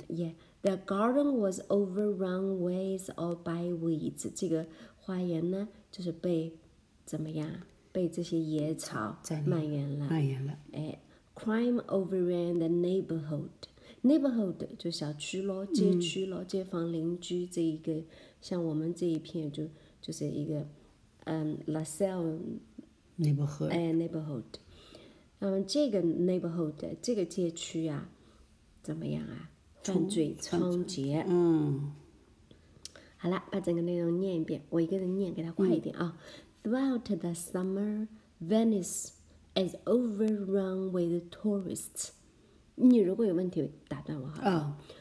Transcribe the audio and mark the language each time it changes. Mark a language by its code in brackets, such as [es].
[en] Yeah， the garden was overrun with or by weeds。 [zh] 这个花园呢，就是被怎么样？被这些野草蔓延了。蔓延了。哎 ， [en] crime overran the neighborhood。 [zh] Neighborhood 就小区咯，街区咯，嗯，街坊邻居这一个，像我们这一片就。就是一个，LaSalle [en] neighborhood， [zh] 哎 ，neighborhood， 这个 neighborhood 这个街区啊，怎么样啊？犯罪猖獗，嗯。好了，把整个内容念一遍，我一个人念，给他快一点啊，嗯。 [en] Throughout the summer, Venice is overrun with tourists。 [zh] 你如果有问题，打断我好了。